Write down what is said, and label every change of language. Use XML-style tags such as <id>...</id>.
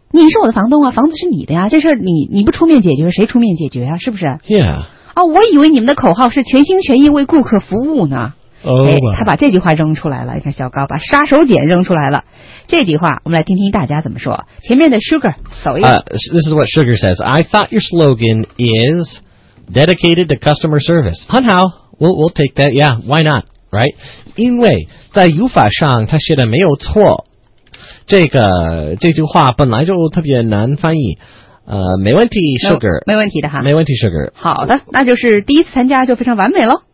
<zh>你是我的房东啊，房子是你的呀，这事儿你不出面解决，谁出面解决啊，是不是？</zh> <en>Yeah.</en> <zh>啊、哦、我以为你们的口号是全心全意为顾客服务呢。他把这句话扔出来了，你看小高把杀手锏扔出来了。这句话我们来听听大家怎么说。前面的 Sugar 走一下。</zh> <en>This is what Sugar says. I thought your slogan is dedicated to customer service.</en> <zh>很好，</zh> <en>we'll take that. Yeah, why not? Right?</en> <zh>因为在语法上他写的没有错。这句话本来就特别难翻译。没问题 Sugar. 没问题的哈。没问题 Sugar. 好的，那就是第一次参加就非常完美咯。</zh>